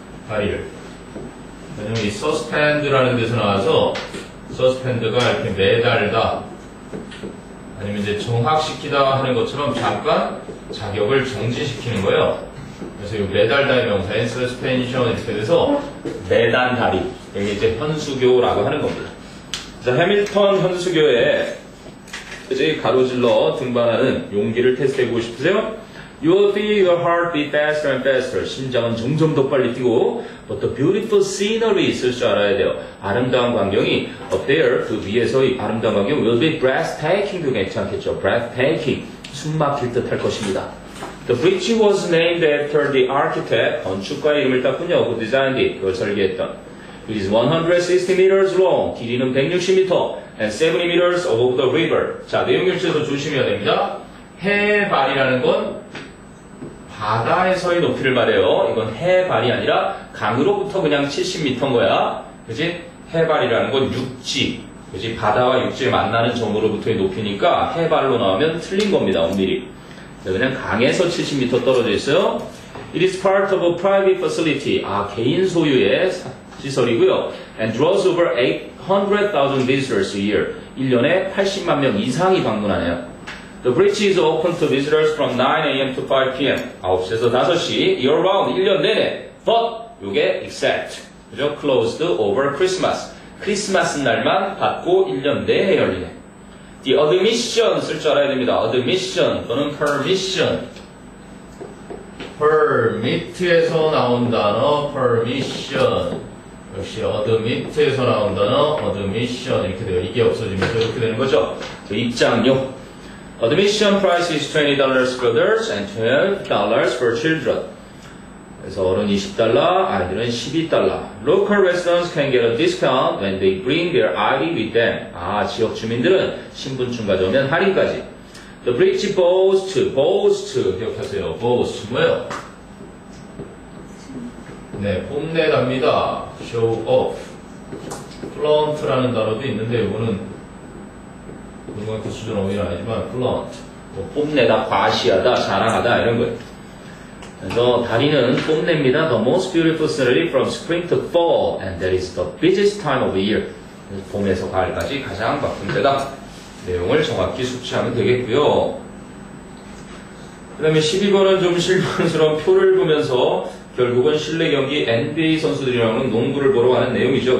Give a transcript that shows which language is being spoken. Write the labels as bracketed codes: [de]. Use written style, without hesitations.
[ko] 다리를. 왜냐면 이 suspend라는 데서 나와서 suspend가 이렇게 매달다 아니면 이제 정확시키다 하는 것처럼 잠깐 자격을 정지시키는 거예요. 그래서 이 매달다의 명사인 suspension 이렇게 돼서 매단 다리, 이게 이제 현수교라고 하는 겁니다. 자, 해밀턴 현수교에 이제 가로질러 등반하는 용기를 테스트해보고 싶으세요? [en] You'll feel your heart beat faster and faster. [ko] 심장은 점점 더 빨리 뛰고, [en] but the beautiful scenery [ko] 있을 줄 알아야 돼요. 아름다운 광경이 [en] up there, [ko] 그 위에서 이 아름다운 광경 [en] will be breathtaking. [ko] 그 괜찮겠죠? Breathtaking. 숨 막힐 듯 할 것입니다. [en] The bridge was named after the architect. [ko] 건축가의 이름을 땄군요. [en] Who designed it? [ko] 그걸 설계했던. [en] It is 160 meters long. [ko] 길이는 [en] 160m and 70 meters above the river. [ko] 자, 내용 일치에서 조심해야 됩니다. 해발이라는 건 바다에서의 높이를 말해요. 이건 해발이 아니라 강으로부터 그냥 70m인 거야. 그지? 해발이라는 건 육지. 그지? 바다와 육지에 만나는 점으로부터의 높이니까 해발로 나오면 틀린 겁니다. 엄밀히. 그냥 강에서 70m 떨어져 있어요. [en] It is part of a private facility. [ko] 아, 개인 소유의 시설이고요. [en] And draws over 800,000 visitors a year. [ko] 1년에 80만 명 이상이 방문하네요. [en] The bridge is open to visitors from 9 a.m. to 5 p.m. [ko] 9시에서 5시, [en] year round, [ko] 1년 내내. [en] But, [ko] 요게 [en] except. [ko] 그죠? [en] Closed over Christmas. [ko] 크리스마스 날만 받고 1년 내내 열리네. [en] The admission [ko] 쓸 줄 알아야 됩니다. Admission 또는 permission. Permit에서 나온 단어, permission. 역시 admit에서 나온 단어, admission. 이렇게 돼요. 이게 없어지면서 이렇게 되는 거죠. 그 입장료. [en] Admission price is $20 for adults and $12 for children. [ko] 그래서 어른 20달러, 아이들은 12달러. [en] Local residents can get a discount when they bring their ID with them. [ko] 아, 지역 주민들은 신분증 가져오면 할인까지. [en] The bridge boasts, [ko] 기억하세요. [en] Boasts, [ko] 뭐예요? 네, 뽐내답니다. [en] Show off. [ko] Flaunt라는 단어도 있는데, 이거는 누군가 교수전 어휘는 아니지만 flaunt, 뭐 뽐내다, 과시하다, 자랑하다 이런 거예요. 그래서 다리는 뽐냅니다. [en] The most beautiful scenery from spring to fall and that is the busiest time of year. [ko] 봄에서 가을까지 가장 바쁜 때다. 내용을 정확히 숙지하면 되겠고요. 그 다음에 12번은 좀 실망스러운 표를 보면서 결국은 실내 경기 NBA 선수들이랑은 농구를 보러 가는 내용이죠.